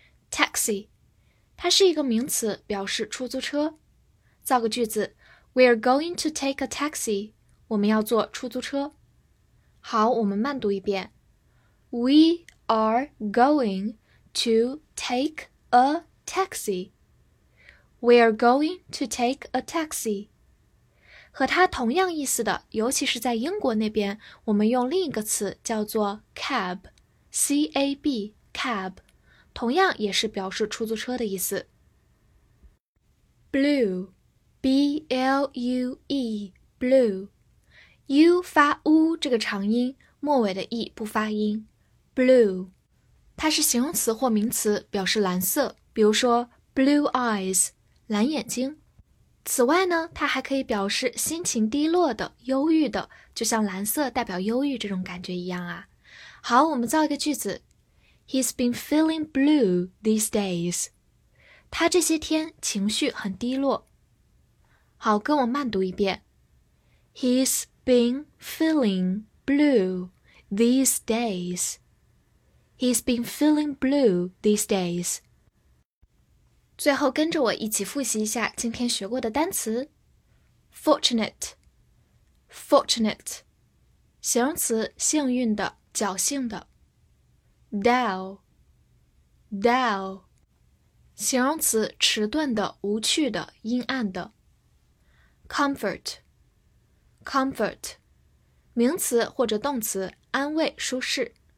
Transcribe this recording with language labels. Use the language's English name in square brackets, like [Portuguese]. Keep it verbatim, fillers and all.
[Chinese] Taxi 它是一个名词，表示出租车。造个句子 [English] We're going to take a taxi， [Chinese] 我们要坐出租车。好，我们慢读一遍 [English] We are going to take a taxi， We are going to take a taxi。 [Chinese] 和它同样意思的，尤其是在英国那边，我们用另一个词叫做 cab， C A B， cab 同样也是表示出租车的意思。 Blue， B L U E， blue，U 发 u 这个长音，末尾的 e 不发音。 Blue， 它是形容词或名词，表示蓝色，比如说 blue eyes， 蓝眼睛。此外呢，它还可以表示心情低落的、忧郁的，就像蓝色代表忧郁这种感觉一样啊。好，我们造一个句子 [English] ，He's been feeling blue these days。 [Chinese] 他这些天情绪很低落。好，跟我慢读一遍 [English] ，He's been feeling blue these days。 He's been feeling blue these days。 [Chinese] 最后跟着我一起复习一下今天学过的单词 fortunate fortunate 形容词幸运的侥幸的 dull dull 形容词迟钝的无趣的阴暗的 comfort comfort 名词或者动词安慰舒适